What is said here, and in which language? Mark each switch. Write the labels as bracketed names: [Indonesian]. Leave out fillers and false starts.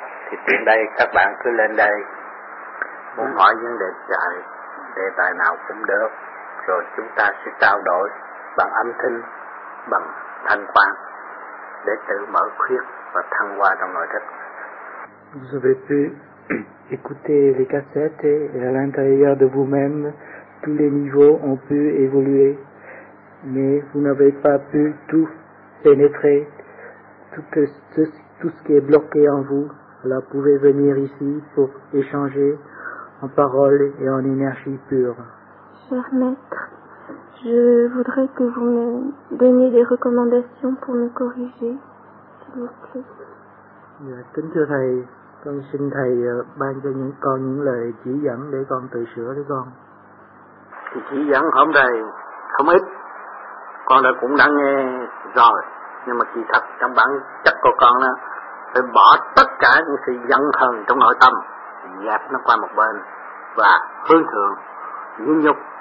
[Vietnamese] Thì từ đây các bạn cứ lên đây muốn hỏi vấn đề dài, đề tài nào cũng được, rồi chúng ta sẽ trao đổi bằng âm thanh, bằng thanh quan để tự mở khuyết và thăng hoa trong nội thất. [French] Vous avez pu écouter les cassettes et à l'intérieur de vous-même tous les niveaux ont pu évoluer, mais vous n'avez pas pu tout pénétrer, tout ce qui est bloqué en vous. Là, vous pouvez venir ici pour échanger en parole et en énergie pure. Cher maître, je voudrais que vous me donniez des recommandations pour me corriger, s'il vous plaît. [Vietnamese] Kính thưa thầy, con xin thầy ban cho những con những lời chỉ dẫn để con tự sửa đấy con. Thì chỉ dẫn hôm nay không ít, con đã cũng đã nghe rồi, nhưng mà kỳ thật trong bản chất của con đó, phải bỏ tất cả những sự giận hờn trong nội tâm, dẹp nó qua một bên, và hướng thượng, nhẫn nhục.